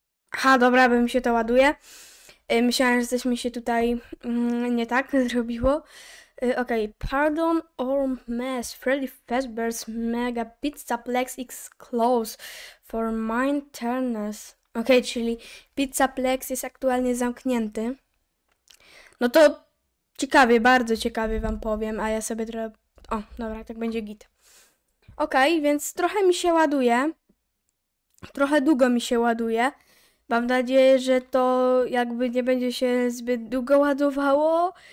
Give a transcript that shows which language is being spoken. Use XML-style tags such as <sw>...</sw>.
<pl>Aha, dobra, bo mi się to ładuje. Myślałem, że coś mi się tutaj nie tak zrobiło. Okej. Pardon or mess.</pl> <en>Freddy Fazbear's Mega Pizzaplex is closed for maintenance.</en> <pl>Okej, czyli Pizzaplex jest aktualnie zamknięty. No to ciekawie, bardzo ciekawie wam powiem, a ja sobie trochę... O, dobra, tak będzie git. Okej, więc trochę mi się ładuje. Trochę długo mi się ładuje. Mam nadzieję, że to jakby nie będzie się zbyt długo ładowało.</pl>